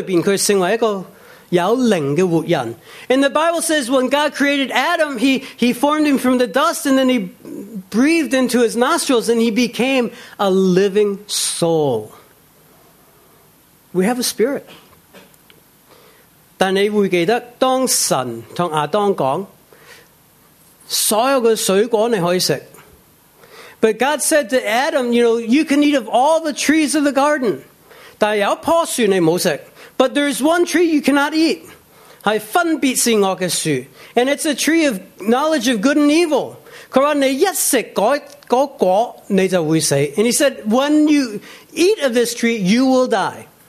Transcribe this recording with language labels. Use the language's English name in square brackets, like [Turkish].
[English] And the Bible says when God created Adam, he formed him from the dust, and then he breathed into his nostrils, and he became a living soul. We have a spirit. [Chinese] 但你会记得当神和亚当说，所有的水果你可以吃。 [English] But God said to Adam, you know, you can eat of all the trees of the garden, [Chinese] 但有一棵树你没吃。 [English] But there is one tree you cannot eat. And it's a tree of knowledge of good and evil. And he said, when you eat of this tree, you will die.